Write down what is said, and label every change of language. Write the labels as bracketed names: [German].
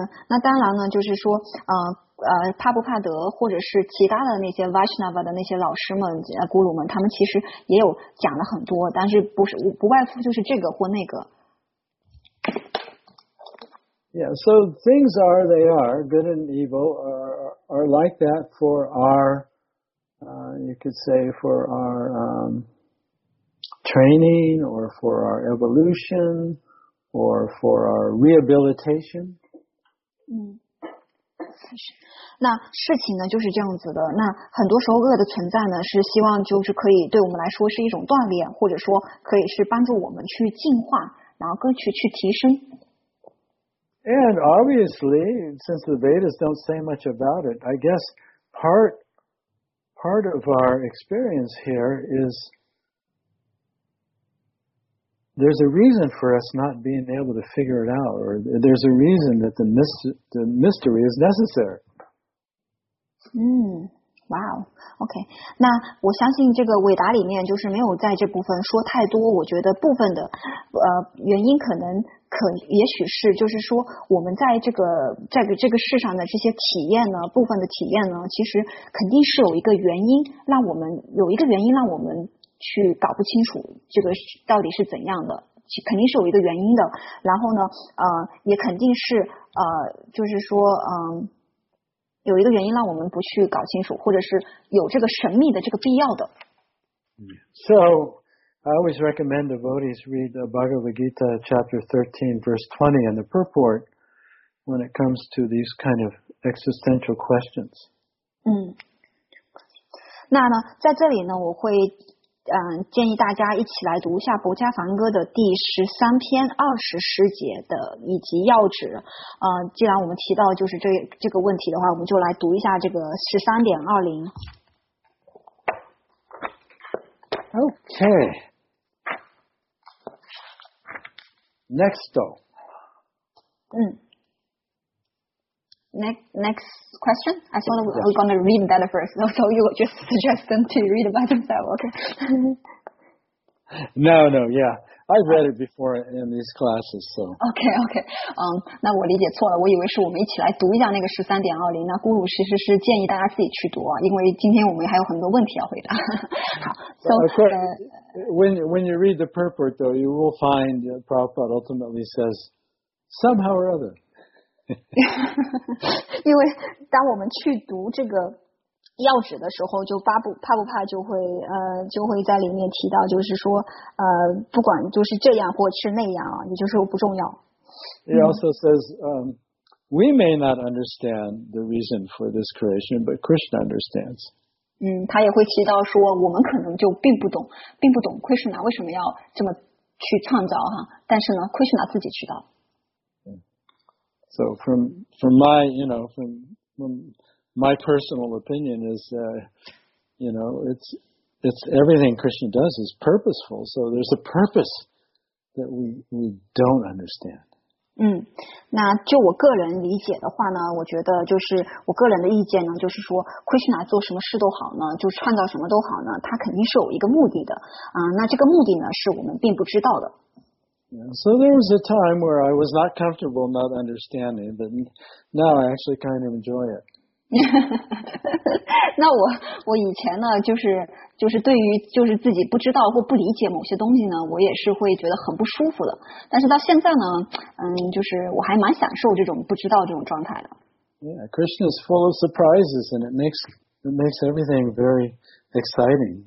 [Chinese] 那当然呢，就是说，帕布帕德或者是其他的那些 Vaishnava 的那些老师们、古鲁们，他们其实也有讲了很多，但是不外乎就是这个或那个。 [English] Yeah, so things are, they are, good and evil are like that for our, you could say, for our training or for our evolution or for our rehabilitation. [Chinese] 那事情呢就是这样子的那很多时候恶的存在呢是希望就是可以对我们来说是一种锻炼或者说可以是帮助我们去进化然后更去提升。 [English] And obviously, since the Vedas don't say much about it, I guess part of our experience here is there's a reason for us not being able to figure it out, or there's a reason that the mystery is necessary. Wow. Okay. [Chinese] 那我相信这个伟达里面就是没有在这部分说太多，我觉得部分的原因可能。可也许是就是说我们在这个世上的这些体验呢部分的体验呢其实肯定是有一个原因让我们去搞不清楚这个到底是怎样的肯定是有一个原因的然后呢也肯定是就是说有一个原因让我们不去搞清楚，或者是有这个神秘的这个必要的。 [English] So, I always recommend devotees read the Bhagavad Gita chapter 13, verse 20 and the purport when it comes to these kind of existential questions. [Chinese] 那呢，在这里呢，我会建议大家一起来读一下《薄伽梵歌》的第十三篇二十诗节的以及要旨。既然我们提到就是这个问题的话，我们就来读一下这个十三点二零。 [English] Okay. Next, though. Next question? I thought we were going to read that first. No, so you just suggest them to read it by themselves, okay? No, yeah. I've read it before in these classes, so. Okay. [Chinese] 那我理解错了，我以为是我们一起来读一下那个 13.20, 那咕噜其实是建议大家自己去读啊，因为今天我们还有很多问题要回答。 [English] 好 so, when you read the purport, though, you will find Prabhupada ultimately says, somehow or other, [Chinese] 因为当我们去读这个要旨的时候，就帕布帕就会在里面提到，就是说不管就是这样或是那样啊，也就是不重要。 [English] He also says, we may not understand the reason for this creation, but Krishna understands. [Chinese] 他也会提到说，我们可能就并不懂 Krishna 为什么要这么去创造哈，但是呢 ，Krishna 自己知道。 [English] So from my personal opinion is, it's everything Krishna does is purposeful. So there's a purpose that we don't understand. [Chinese] 那就我个人理解的话呢，我觉得就是我个人的意见呢，就是说 Krishna 做什么事都好呢，就创造什么都好呢，他肯定是有一个目的的。那这个目的呢，是我们并不知道的。 [English] Yeah, so there was a time where I was not comfortable not understanding, but now I actually kind of enjoy it. [Chinese] 那我以前呢，就是对于就是自己不知道或不理解某些东西呢，我也是会觉得很不舒服的。但是到现在呢，就是我还蛮享受这种不知道这种状态的。 [English] Yeah, Krishna is full of surprises, and it makes everything very exciting.